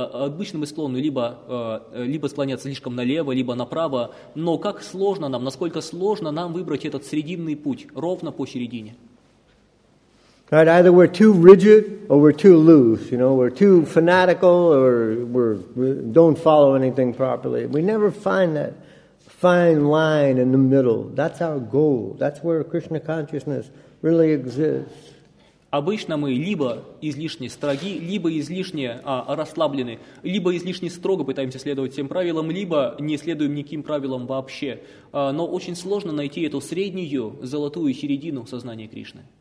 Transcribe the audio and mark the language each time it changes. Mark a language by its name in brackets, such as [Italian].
[Russian] Обычно мы склонны либо склоняться слишком налево, либо направо, но как сложно нам, насколько сложно нам выбрать этот срединный путь, ровно посередине. [English] Right, either we're too rigid or we're too loose, you know, we're too fanatical or we don't follow anything properly. We never find that fine line in the middle. That's our goal. That's where Krishna consciousness really exists. [Russian] Обычно мы либо излишне строги, либо излишне расслаблены, либо излишне строго пытаемся следовать всем правилам, либо не следуем никаким правилам вообще. Но очень сложно найти эту среднюю золотую середину сознания Кришны.